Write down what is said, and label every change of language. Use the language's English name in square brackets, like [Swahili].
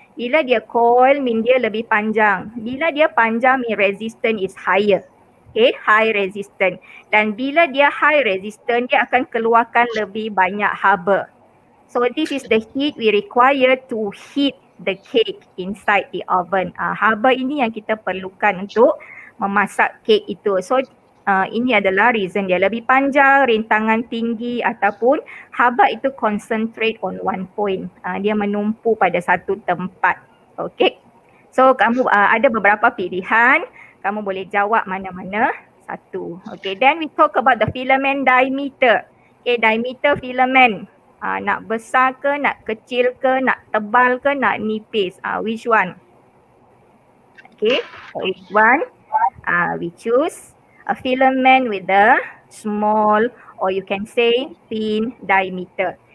[Malay] Bila dia coil, mean dia lebih panjang. Bila dia panjang, mean [English] resistance is higher. [Malay] Okay, high resistance. Dan bila dia high resistance, dia akan keluarkan lebih banyak haba. [English] So this is the heat we require to heat the cake inside the oven. [Malay] Haba ini yang kita perlukan untuk memasak cake itu. So ini adalah reason dia lebih panjang, rintangan tinggi ataupun haba itu [English] concentrate on one point. [Malay] Dia menumpu pada satu tempat. Okay. So kamu ada beberapa pilihan. Kamu boleh jawab mana-mana satu. [English] Okay, then we talk about the filament diameter. [Malay] Okay, diameter filament. Nak besar ke, nak kecil ke, nak tebal ke, nak nipis. [English] Which one? Okay, which one? We choose a filament with a small or you can say thin diameter.